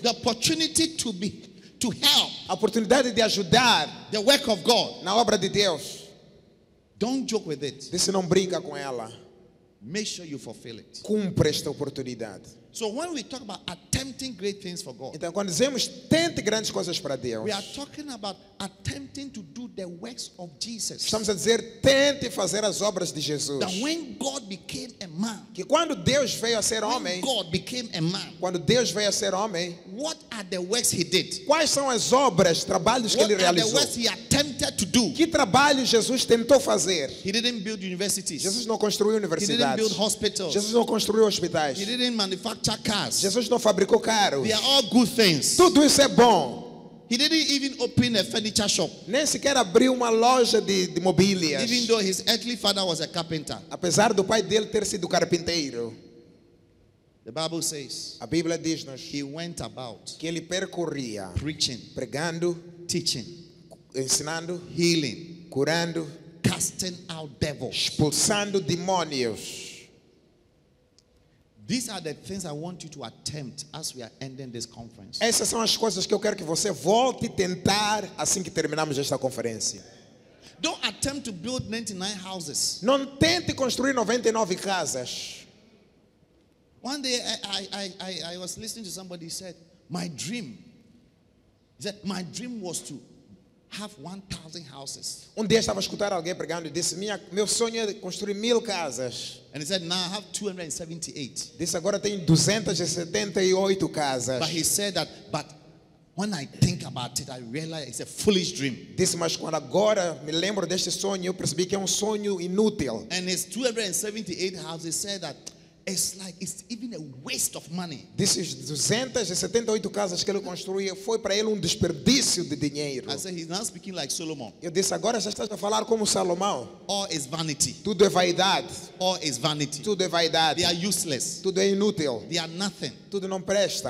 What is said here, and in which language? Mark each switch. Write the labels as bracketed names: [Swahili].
[English] The opportunity to be to help. [Portuguese] A oportunidade de ajudar. [English] The work of God. [Portuguese] Na obra de Deus. [English] Don't joke with it. [Portuguese] Você não brinca com ela. [English] Make sure you fulfill it. [Portuguese] Cumpra esta oportunidade. [English] So when we talk about attempting great things for God. [Portuguese] Então quando dizemos tente grandes coisas para Deus. [English] We are talking about attempting to do the works of Jesus. [Portuguese] Estamos a dizer tente fazer as obras de Jesus. [English] That when God became a man. [Portuguese] Que quando Deus veio a ser homem. [English] When God became a man. [Portuguese] Quando Deus veio a ser homem. [English] What are the works he did? [Portuguese] Quais são as obras, trabalhos que ele realizou? [English] What are the works he attempted to do? [Portuguese] Que trabalho Jesus tentou fazer? [English] He didn't build universities. [Portuguese] Jesus não construiu universidades. [English] He didn't build hospitals. [Portuguese] Jesus não construiu hospitais. [English] He didn't manufacture. [Portuguese] Jesus não fabricou carros. [English] They are all good things. [Portuguese] Tudo isso é bom. [English] He didn't even open a furniture shop. [Portuguese] Nem sequer abriu uma loja de mobílias. [English] Even though his earthly father was a carpenter. [Portuguese] Apesar do pai dele ter sido carpinteiro. [English] The Bible says. [Portuguese] A Bíblia diz-nos. [English] He went about. [Portuguese] Que ele percorria. [English] Preaching. [Portuguese] Pregando. [English] Teaching. [Portuguese] Ensinando. [English] Healing. [Portuguese] Curando. [English] Casting out devils. [Portuguese] Expulsando demônios. [English] These are the things I want you to attempt as we are ending this conference. [Portuguese] Essas são as coisas que eu quero que você volte a tentar assim que terminarmos esta conferência. [English] Don't attempt to build 99 houses. [Portuguese] Não tente construir 99 casas. [English] One day I was listening to somebody said, my dream. He said, my dream was to have 1,000 houses. [Portuguese] Um dia estava a escutar alguém pregando e disse, meu sonho é construir 1,000 casas. [English] And he said, now I have 278. [Portuguese] Disse, agora tenho 278 casas. [English] But he said that, but when I think about it, I realize it's a foolish dream. [Portuguese] Disse, mas quando agora me lembro deste sonho, eu percebi que é um sonho inútil. [English] And his 278 houses said that, it's like it's even a waste of money. [Portuguese] Desses 278 casas que ele construiu, foi para ele desperdício de dinheiro. [English] I said he's not speaking like Solomon. [Portuguese] Eu disse agora já estás a falar como Salomão. [English] All is vanity. [Portuguese] Tudo é vaidade. [English] All is vanity. [Portuguese] Tudo é vaidade. [English] They are useless. [Portuguese] Tudo é inútil. [English] They are nothing. [Portuguese] Tudo não presta.